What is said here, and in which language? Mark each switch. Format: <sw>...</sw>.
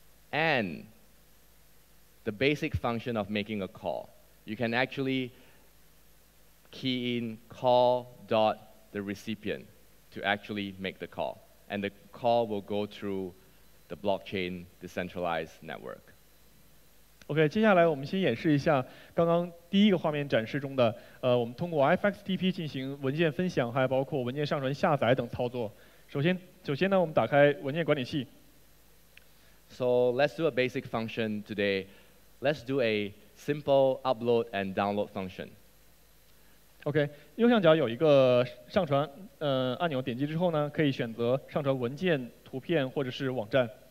<en>And the basic function of making a call. You can actually key in call.therecipient to actually make the call. And the call will go through the blockchain decentralized network.</en> <zh>OK, 接下来我们先演示一下刚刚第一个画面展示中的 我们通过FXTP进行文件分享 还包括文件上传下载等操作 首先呢我们打开文件管理器</zh> <en>So let's do a basic function today. Let's do a simple upload and download function.</en> <zh>OK, 右上角有一个上传 按钮 点击之后呢 可以选择上传文件、图片或者是网站</zh>